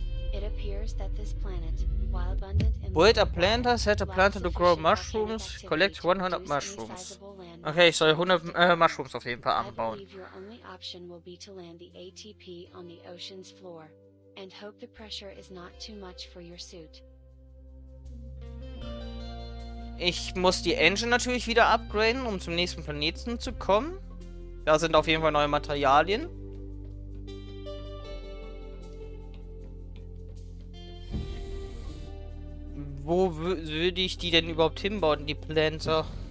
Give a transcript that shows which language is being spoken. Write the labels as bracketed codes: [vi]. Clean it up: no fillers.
[en] It appears that this planet, while abundant in Build a planter, set a planter to grow mushrooms, collect 100 mushrooms. [de] Okay, ich soll 100 Mushrooms auf jeden Fall anbauen. [en] Your only option will be to land the ATP on the ocean's floor and hope the pressure is not too much for your suit. [de] Ich muss die Engine natürlich wieder upgraden, um zum nächsten Planeten zu kommen. Da sind auf jeden Fall neue Materialien. Wo würde ich die denn überhaupt hinbauen, die Planter?